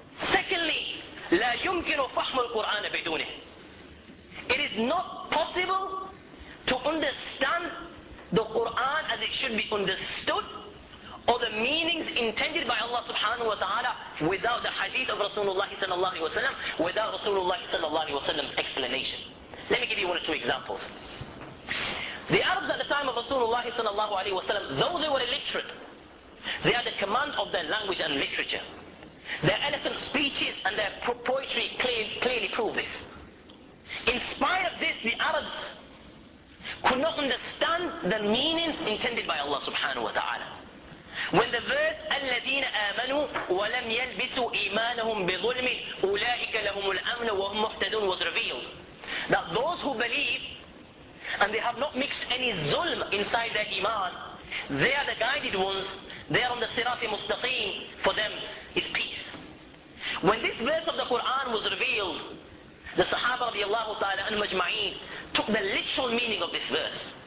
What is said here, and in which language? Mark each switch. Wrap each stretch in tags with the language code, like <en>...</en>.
<ar>Secondly, لا يمكن فهم القرآن بدونه.</ar> <en>It is not possible to understand the Quran as it should be understood, or the meanings intended by Allah subhanahu wa ta'ala without the hadith of Rasulullah sallallahu alayhi wa sallam, without Rasulullah sallallahu alayhi wa sallam's explanation. Let me give you one or two examples. The Arabs at the time of Rasulullah sallallahu alayhi wa sallam, though they were illiterate, they had the command of their language and literature. Their eloquent speeches and their poetry clearly prove this. In spite of this, the Arabs could not understand the meanings intended by Allah subhanahu wa ta'ala. When the verse</en> <ar>الَّذِينَ آمَنُوا وَلَمْ يَلْبِسُوا إِيمَانَهُمْ بِظُلْمِ أُولَٰئِكَ لَهُمُ الْأَمْنَ وَهُمْ مُحْتَدُونَ</ar> <en>was revealed. That those who believe and they have not mixed any zulm inside their iman, they are the guided ones, they are on the sirat mustaqim, for them is peace. When this verse of the Quran was revealed, the Sahaba radiallahu ta'ala anhum ajma'een took the literal meaning of this verse.</en>